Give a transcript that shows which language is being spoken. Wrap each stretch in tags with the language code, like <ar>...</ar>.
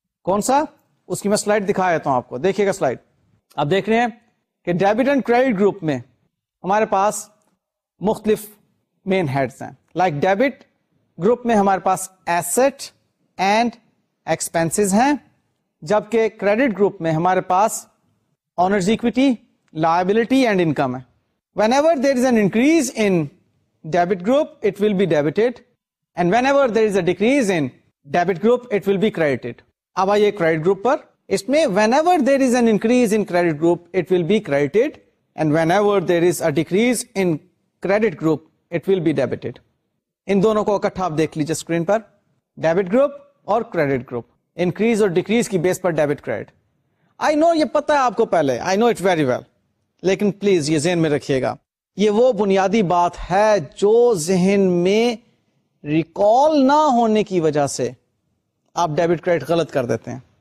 <ur>کون سا؟ اس کی میں سلائڈ دکھا دیتا ہوں آپ کو. دیکھیے گا سلائڈ, آپ دیکھ رہے ہیں کہ ڈیبٹ اینڈ کریڈٹ گروپ میں ہمارے پاس مختلف مین ہیڈز ہیں. لائک ڈیبٹ گروپ میں ہمارے پاس ایسٹ اینڈ ایکسپینسز ہیں, جبکہ کریڈٹ گروپ میں ہمارے پاس honours equity, liability and income ہے.</ur> <en>Whenever there is an increase in debit group it will be debited, and whenever there is a decrease in debit group it will be credited.</en> <ur>اب آئیے credit group پر. اس میں</ur> <en>Whenever there is an increase in credit group it will be credited, and whenever there is a decrease in credit group it will be debited.</en> <ur>ان دونوں کو اکٹھا آپ دیکھ لیجیے screen پر, debit group اور credit group, increase اور decrease کی بیس پر debit credit. آئی نو یہ پتا ہے آپ کو پہلے,</ur> <en>I know it very well,</en> <ur>لیکن پلیز یہ ذہن میں رکھیے گا, یہ وہ بنیادی بات ہے جو ذہن میں ریکال نہ ہونے کی وجہ سے آپ ڈیبٹ کریڈٹ غلط کر دیتے ہیں.</ur>